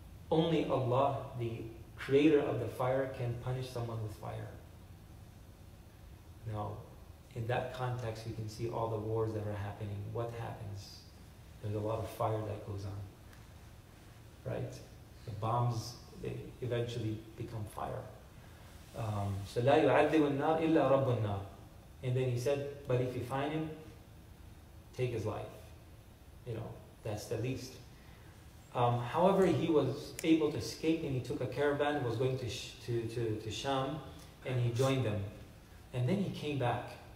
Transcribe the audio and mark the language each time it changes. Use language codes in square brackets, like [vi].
[en] Only Allah, the creator of the fire, can punish someone with fire. Now, in that context, you can see all the wars that are happening. What happens? There's a lot of fire that goes on, right? The bombs, they eventually become fire. [ar] So لا يعذب النار إلا رب النار. [en] And then he said, but if you find him, take his life. You know, that's the least. However, he was able to escape, and he took a caravan, was going to Sham, and he joined them. And then he came back.